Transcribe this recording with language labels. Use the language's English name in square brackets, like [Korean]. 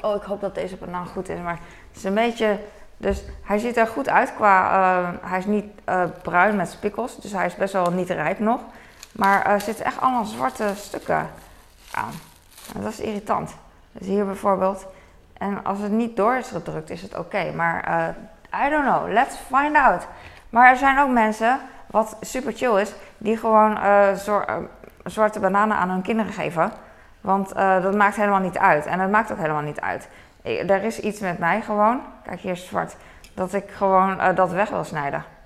[Dutch] Oh, ik hoop dat deze banaan goed is, maar het is een beetje... Dus hij ziet er goed uit qua... hij is niet bruin met spikkels, dus hij is best wel niet rijp nog. Maar er zitten echt allemaal zwarte stukken aan. En dat is irritant. Dus hier bijvoorbeeld. En als het niet door is gedrukt, is het oké. Maar [English] I don't know, let's find out. [Dutch] Maar er zijn ook mensen, wat super chill is, die gewoon zwarte bananen aan hun kinderen geven. Want dat maakt helemaal niet uit. En dat maakt ook helemaal niet uit. Er is iets met mij gewoon, kijk hier is zwart, dat ik gewoon dat weg wil snijden.